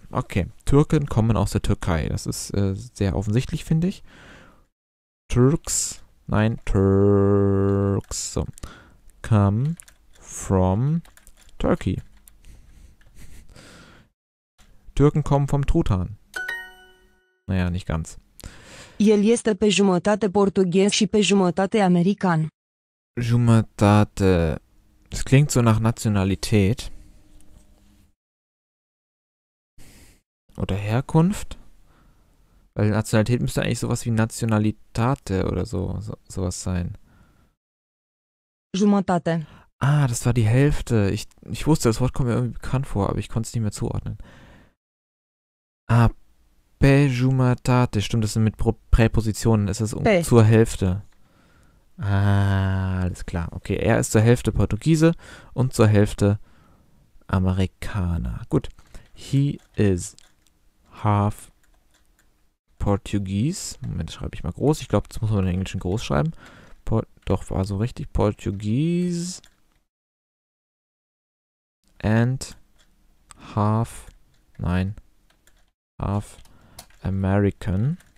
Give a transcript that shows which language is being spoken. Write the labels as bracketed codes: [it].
[de] Okay, Türken kommen aus der Türkei. Das ist sehr offensichtlich, finde ich. [en] Turks. [de] Nein, [en] Turks. So. Come from Turkey. [de] Türken kommen vom Truthahn. Naja, nicht ganz. [ro] El este pe jumătate portughez și pe jumătate american. Jumătate. [de] Das klingt so nach Nationalität. Oder Herkunft. Weil Nationalität müsste eigentlich sowas wie Nationalitate oder sowas sein. [ro] Jumătate. [de] Ah, das war die Hälfte. Ich wusste, das Wort kommt mir irgendwie bekannt vor, aber ich konnte es nicht mehr zuordnen. Ah, [ro] pe jumătate. [de] Stimmt, das sind mit Präpositionen. Es ist zur Hälfte. Ah, alles klar. Okay, er ist zur Hälfte Portugiese und zur Hälfte Amerikaner. Gut. [en] He is half Portuguese. [de] Moment, schreibe ich mal groß. Ich glaube, das muss man in Englisch groß schreiben. Doch, war so richtig. [en] Portuguese and half, [de] nein, [en] half American.